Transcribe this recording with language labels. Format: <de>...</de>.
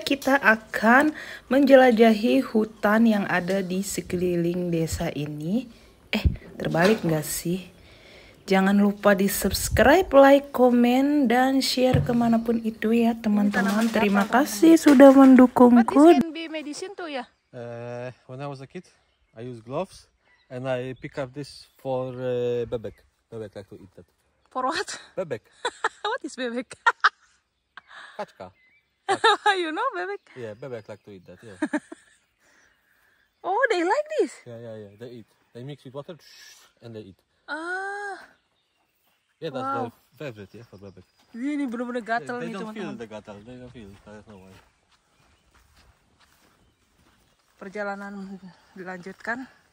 <id>Kita akan menjelajahi hutan yang ada di sekeliling desa ini. Terbalik nggak sih? Jangan lupa di subscribe, like, komen, dan share kemanapun itu ya teman-teman. Terima kasih sudah mendukungku.</id> <en>What this can be medicine to ya? When I was a kid, I use gloves and I pick up this for bebek. Bebek like to eat that. For what?</en> <id>Bebek.</id> <en>What is bebek?</en> <pl>Kaczka.</pl> <en>You know bebek? Yeah, bebek like to eat that, yeah. Oh, they like this? Yeah. They eat. They mix with water and they eat. Yeah, that's wow. Their favorite, yeah, for bebek.</en> <id>Ini benar-benar gatal nih,</id> <en>They don't feel the gatal. They don't feel. That's no way.</en> <id>Perjalanan dilanjutkan.</id>